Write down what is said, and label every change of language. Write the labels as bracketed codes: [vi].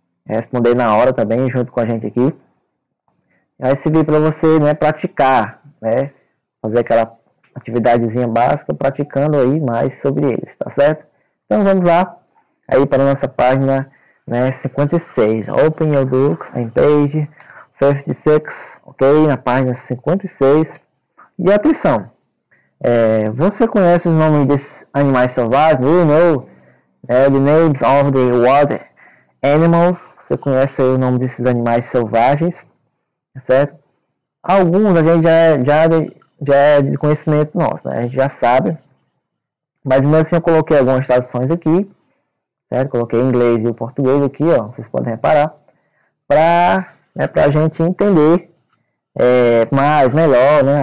[pt] Responder na hora também, junto com a gente aqui. Vai servir para você, né, praticar, né? Fazer aquela atividadezinha básica, praticando aí mais sobre eles, tá certo? Então vamos lá aí para a nossa página, né, 56. [en] Open your book and page 56, ok? [pt] Na página 56. E atenção, você conhece os nomes desses animais selvagens? [en] You know, the names of the wild animals. [pt] Você conhece aí o nome desses animais selvagens, certo? Alguns a gente já é de conhecimento nosso, né? A gente já sabe. Mas mesmo assim eu coloquei algumas traduções aqui, certo? Coloquei inglês e o português aqui, ó. Vocês podem reparar. Pra gente entender mais, melhor, né?